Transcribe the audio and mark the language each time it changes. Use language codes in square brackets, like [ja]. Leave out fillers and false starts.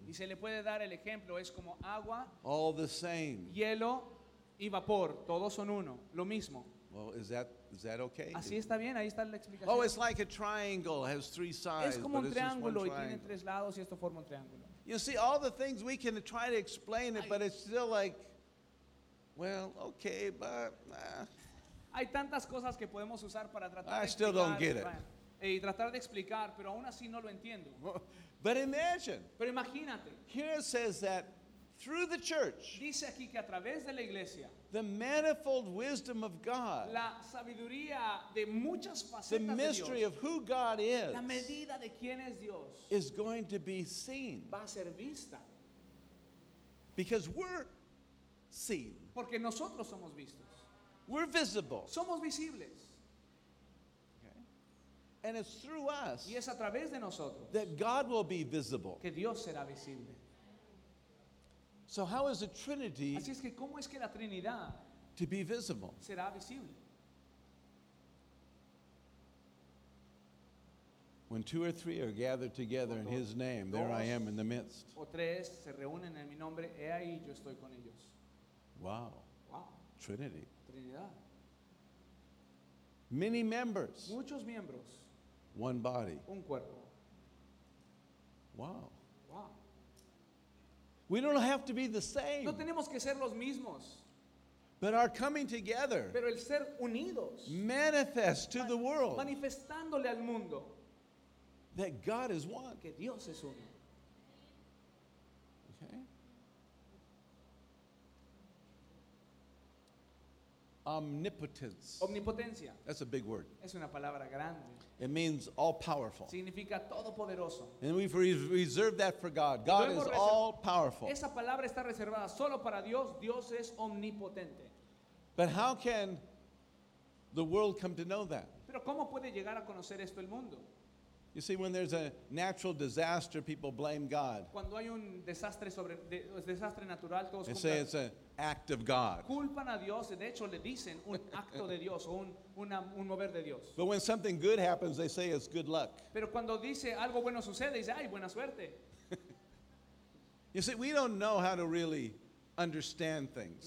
[es] Y se le puede dar el ejemplo, es como agua. [en] All the same. [es] Hielo y vapor, todos son uno, lo mismo. [en] Well, is that okay? [es] Así está bien, ahí está la explicación. [en] Oh, it's like a triangle, has three sides. [es] Es como un triángulo, [en] but it's just one [es] y tiene tres lados y esto forma un triángulo. [en] You see, all the things we can try to explain it, but it's still like, well, okay, but. [es] Hay tantas cosas que podemos usar para tratar de explicar. [en] I still don't get it. [es] Y tratar de explicar, pero aún así no lo entiendo. [en] But imagine. [es] Pero imagínate. [en] Here it says that through the church. [es] Dice aquí que a través de la iglesia. [en] The manifold wisdom of God. [es] La sabiduría de muchas facetas de Dios. [en] The mystery of who God is. [es] La medida de quién es Dios. [en] Is going to be seen. [es] Va a ser vista. [en] Because we're seen. [es] Porque nosotros somos vistos. [en] We're visible. [es] Somos visibles. [en] And it's through us [es] y es a través de nosotros [en] that God will be visible. [es] Que Dios será visible. [en] So how is the Trinity [es] así es que cómo es que la Trinidad [en] to be visible? [es] Será visible? [en] When two or three are gathered together in his name, there I am in the midst. [es] O tres se reúnen en mi nombre, he ahí, yo estoy con ellos. [en] Wow. [es] Wow. [en] Trinity. [es] Trinidad. [en] Many members. [es] Muchos miembros. [en] One body. [es] Un cuerpo. [en] Wow. [es] Wow. [en] We don't have to be the same. [es] No tenemos que ser los mismos. [en] But our coming together. [es] Pero el ser unidos. [en] Manifest to the world. [es] Manifestándole al mundo. [en] That God is one. [es] Que Dios es uno. [en] Okay. Omnipotence. [es] Omnipotencia. [en] That's a big word. [es] Es una palabra grande. [en] It means all powerful. [es] Significa todopoderoso. [en] And we've reserved that for God. God is all powerful. [es] Esa palabra está reservada solo para Dios. Dios es omnipotente. [en] But how can the world come to know that? [es] Pero cómo puede llegar a conocer esto el mundo? [en] You see, when there's a natural disaster, people blame God. [es] Cuando hay un desastre sobre desastre natural, todos [en] they say it's an act of God. [es] Culpan a Dios. De hecho, le dicen un acto de Dios o un mover de Dios. [en] But when something good happens, they say it's good luck. [es] Pero cuando dice algo bueno sucede, dice ay buena suerte. [en] You see, we don't know how to really understand things.